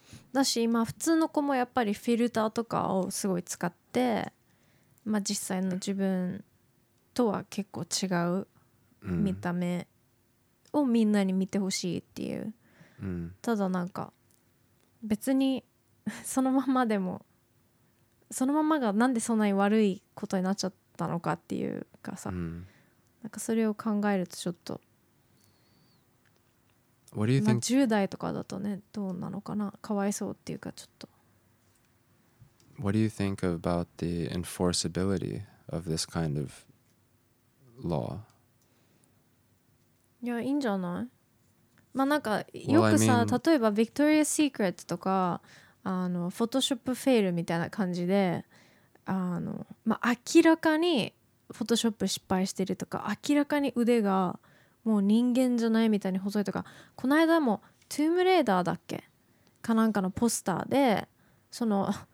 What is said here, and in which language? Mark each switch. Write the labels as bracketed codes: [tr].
[ja] だし今普通の子もやっぱりフィルターとかをすごい使って、まあ、実際の自分とは結構違う見た目をみんなに見てほしいっていう、ただなんか別にそのままでもそのままがなんでそんなに悪いことになっちゃったのかっていうかさ、なんかそれを考えるとちょっと [en] What do you think? [ja] まあ10代とかだとねどうなのかな、かわいそうっていうかちょっと。 [en] What do you think about the enforceability of this kind of law? [ja] いやいいんじゃない、まあなんかよくさ、例えば Victoria's Secret とかPhotoshop fail みたいな感じでまあ明らかに Photoshop 失敗してるとか明らかに腕がもう人間じゃないみたいに細いとか、この間もトゥームレーダーだっけかなんかのポスターでその